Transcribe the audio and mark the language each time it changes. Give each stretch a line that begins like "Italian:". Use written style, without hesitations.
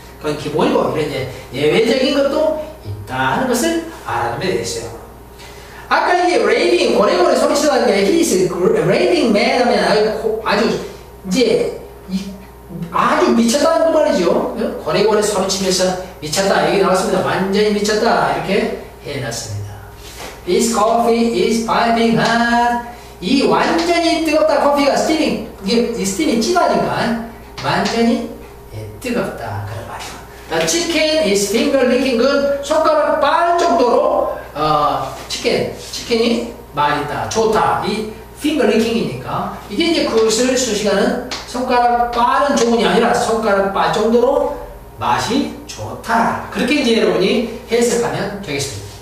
Korean: 그건 기본이고 이런 예외적인 것도 있다 하는 것을 알아두면 되겠어요. 아까 이게 raving 고래고래 소리치던 게
English: he's raving man
Korean: 하면 아주 이제 아주 미쳤다는 거 말이죠. 고래고래 소리치면서 미쳤다 여기 나왔습니다. 완전히 미쳤다 이렇게 해놨습니다.
English: This coffee is piping hot.
Korean: 이 완전히 뜨겁다 커피가 스팀이 이게 스팀이 찐하니까 완전히 뜨겁다 그런 말이야.
English: The chicken is finger licking good.
Korean: 손가락 빨 정도로 치킨이 맛있다 좋다. 이
English: finger licking
Korean: 이니까 이게 이제 그것을 수식하는 손가락 빠는 조문이 아니라 손가락 빨 정도로 맛이 좋다 그렇게 이제 여러분이 해석하면 되겠습니다.